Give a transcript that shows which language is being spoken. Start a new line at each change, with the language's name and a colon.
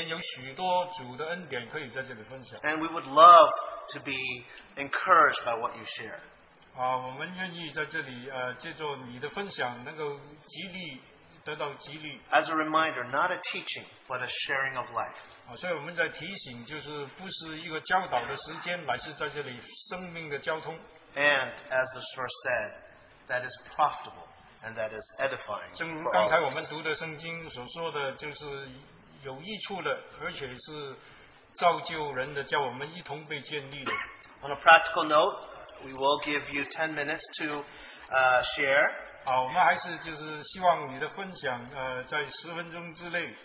Chinese: 所以这个礼拜主日是今年的第一个主日，我相信很多人会回顾过去的一年，有许多主的恩典可以在这里分享。
English: And we would love to be encouraged by what you share.
Chinese: 我们愿意在这里, 借助你的分享, 能够激励, 得到激励。
English: As a reminder, not a teaching, but a sharing of life.
Chinese: 所以我们在提醒, 就是不是一个教导的时间, 乃是在这里生命的交通。
English: And as the source said, that is profitable, and that is edifying.
Chinese: 正如刚才我们读的圣经所说的, 就是有益处的, 而且是造就人的, 叫我们一同被建立的。
English: On a practical note, we will give you 10 minutes to share.
Chinese: 我们还是就是希望你的分享, 在10分钟之内,